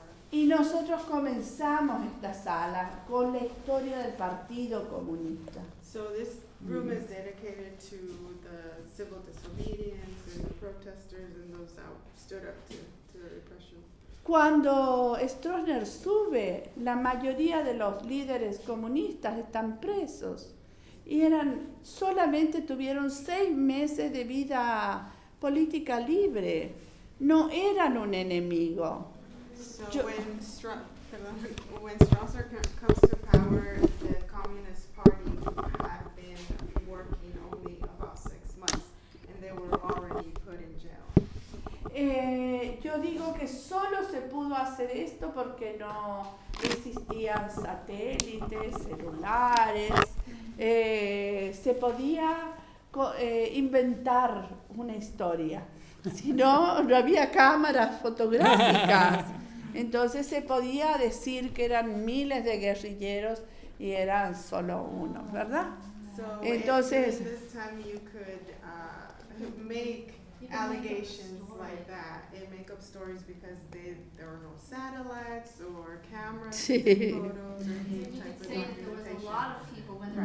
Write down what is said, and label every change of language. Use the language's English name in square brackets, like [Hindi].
[Spanish] Y nosotros comenzamos esta sala con la historia del Partido Comunista. [English] So this room is dedicated to the civil disobedience and the protesters and those that stood up to the repression. [Spanish] Cuando Stroessner sube, la mayoría de los líderes comunistas están presos. Y solamente tuvieron 6 meses de vida política libre. No eran un enemigo. [English] When Strasser comes to power, the Communist Party had been working only about 6 months, and they were already put in jail. [Spanish] Yo digo que solo se pudo hacer esto porque no existían satélites, celulares. Se podía inventar una historia. Si no, no había cámaras fotográficas. Entonces se podía decir que eran miles de guerrilleros y eran solo uno, ¿verdad? [English] So, [Spanish] entonces, [English] this time you could make allegations like that and make up stories because there were no satellites or cameras, photos, or any type of documentation.